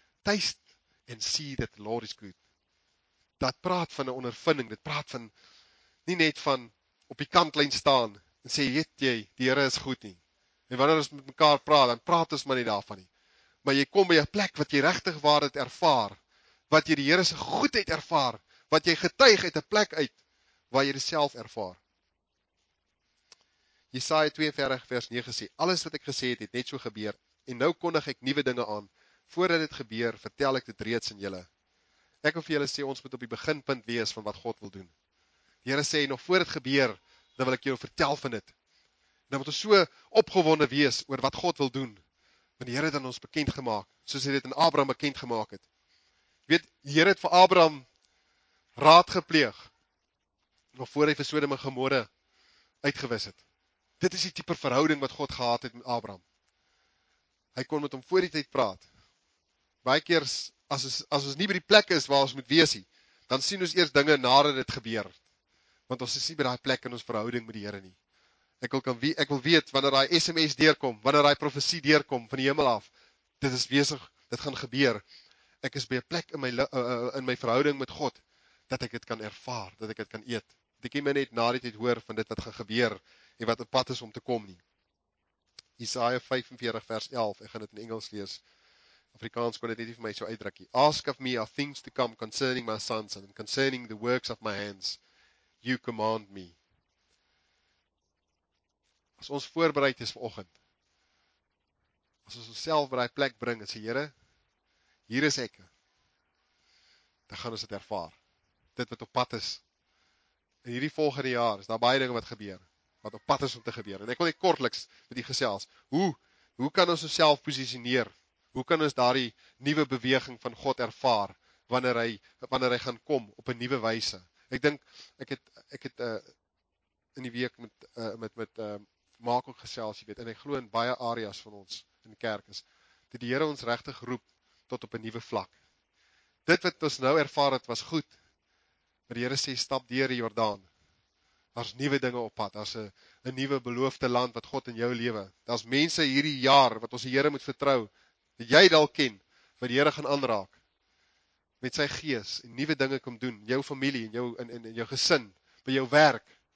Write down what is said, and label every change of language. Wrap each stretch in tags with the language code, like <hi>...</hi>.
<en>Taste and see that the Lord is good.</en> <af>Dat praat van 'n ondervinding, dit praat van nie net van op die kantlyn staan, en sê, weet jy, die Here is goed nie. En wanneer ons met mekaar praat, dan praat ons maar nie daarvan nie. Maar jy kom by 'n plek wat jy regtig waar dit ervaar, wat jy die Here se goedheid ervaar, wat jy getuig uit 'n plek uit, waar jy dit self ervaar. Jesaja 42 vers 9 sê, alles wat ek gesê het, het net so gebeur, en nou kondig ek nuwe dinge aan. Voordat dit gebeur, vertel ek dit reeds aan julle. Ek wil vir julle sê, ons moet op die beginpunt wees van wat God wil doen. Die Here sê, nog voor dit gebeur, dan wil ek jou vertel van dit. Dan moet ons so opgewonde wees oor wat God wil doen. Want die Here het aan ons bekend gemaak, soos hy dit aan Abraham bekend gemaak het. Jy weet, die Here het vir Abraham raad gepleeg, nog voor hy vir Sodom en Gomorra uitgewis het. Dit is die tipe verhouding wat God gehad het met Abraham. Hy kon met hom voor die tyd praat. Baie keer, as ons nie by die plek is waar ons moet wees, dan sien ons eers dinge nadat dit gebeur. Want ons is nie by daai plek in ons verhouding met die Here nie. Ek wil weet wanneer daai SMS deurkom, wanneer daai profesie deurkom van die hemel af, dit is besig, dit gaan gebeur. Ek is by 'n plek in my verhouding met God dat ek dit kan ervaar, dat ek dit kan eet. Dit kan my net na die tyd hoor van dit wat gaan gebeur en wat op pad is om te kom nie. Jesaja 45 vers 11, ek gaan dit in Engels lees. Afrikaans kon dit net nie vir my so uitdruk nie.</af> <en>Ask of me of things to come concerning my sons and concerning the works of my hands. You command me.</en> <af>As ons voorbereid is vanoggend, as ons onsself by daai plek bring en sê Here, hier is ek. Dan gaan ons dit ervaar. Dit wat op pad is. In hierdie volgende jaar is daar baie dinge wat gebeur, wat op pad is om te gebeur. En ek wil net kortliks met u gesels. Hoe kan ons onsself positioneer? Hoe kan ons daardie nuwe beweging van God ervaar wanneer hy gaan kom op 'n nuwe wyse? Ek dink ek het in die week met Mark ook gesels, jy weet, en ek glo in baie areas van ons in die kerk is dat die Here ons regtig roep tot op 'n nuwe vlak. Dit wat ons nou ervaar het was goed. Maar die Here sê stap deur die Jordaan. Daar's nuwe dinge op pad. Daar's 'n nuwe beloofde land wat God in jou lewe. Daar's mense hierdie jaar wat ons die Here moet vertrou. Dat jy dalk ken wat die Here gaan aanraak met sy gees en nuwe dinge kom doen in jou familie en jou in jou gesin, by jou werk.</af>